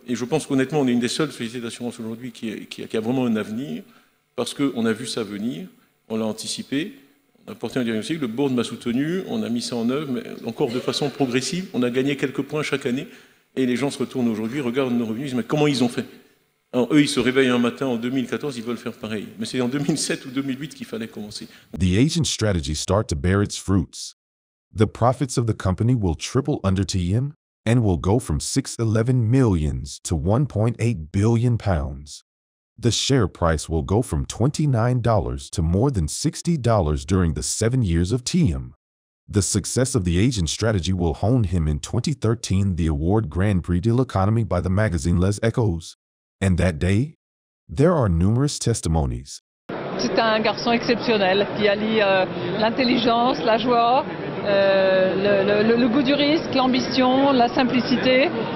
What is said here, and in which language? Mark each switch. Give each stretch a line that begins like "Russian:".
French: Et je pense qu'honnêtement, on est une des seules sociétés d'assurance aujourd'hui qui a vraiment un avenir, parce qu'on a vu ça venir, on l'a anticipé, on a porté un diagnostic, le board m'a soutenu, on a mis ça en œuvre, mais encore de façon progressive, on a gagné quelques points chaque année, et les gens se retournent aujourd'hui, regardent nos revenus, ils disent « mais comment ils ont fait ?» Alors, eux, ils se réveillent un matin en 2014, ils veulent faire pareil. Mais c'est en 2007 ou 2008 qu'il fallait commencer.
English: The Asian strategy start to bear its fruits. The profits of the company will triple under TM and will go from 611 millions to 1.8 billion pounds. The share price will go from $29 to more than $60 during the 7 years of TM. The success of the Asian strategy will hone him in 2013 the award Grand Prix de l'Economie by the magazine Les Echos. And that day, There are numerous testimonies.
French: C'est un garçon exceptionnel qui allie l'intelligence, la joie, le goût du risque, l'ambition, la simplicité.